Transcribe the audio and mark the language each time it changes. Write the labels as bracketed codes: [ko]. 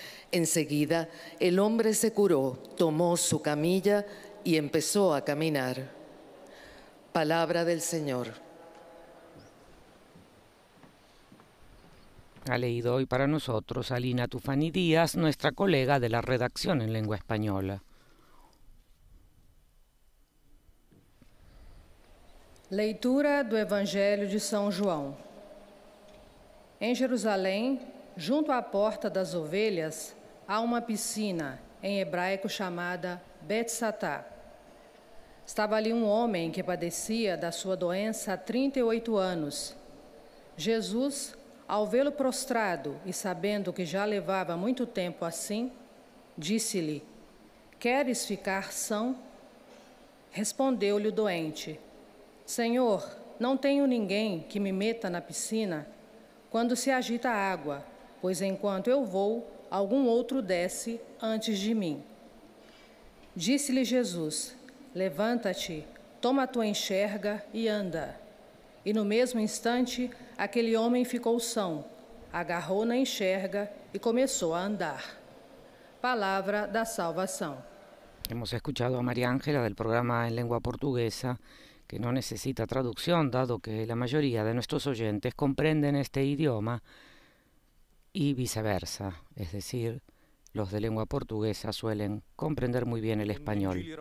[es] Enseguida, el hombre se curó, tomó su camilla y empezó a caminar. Palabra del Señor. Ha leído hoy para nosotros Alina Tufani Díaz, nuestra colega de la redacción en lengua española. [pt] Leitura do Evangelho de São João. Em Jerusalém, junto à porta das ovelhas, há uma piscina, em hebraico chamada Betzatá. Estava ali um homem que padecia da sua doença há 38 anos. Jesus, ao vê-lo prostrado e sabendo que já levava muito tempo assim, disse-lhe: Queres ficar são? Respondeu-lhe o doente: Senhor, não tenho ninguém que me meta na piscina quando se agita a água, pois enquanto eu vou, algum outro desce antes de mim. Disse-lhe Jesus: Levanta-te, toma tua enxerga e anda. E no mesmo instante, aquele homem ficou são, agarrou na enxerga e começou a andar. Palavra da salvação. [es] Hemos escuchado a María Ángela del programa en lengua portuguesa, que no necesita traducción, dado que la mayoría de nuestros oyentes comprenden este idioma y viceversa, es decir, Los de lengua portuguesa suelen comprender muy bien el español.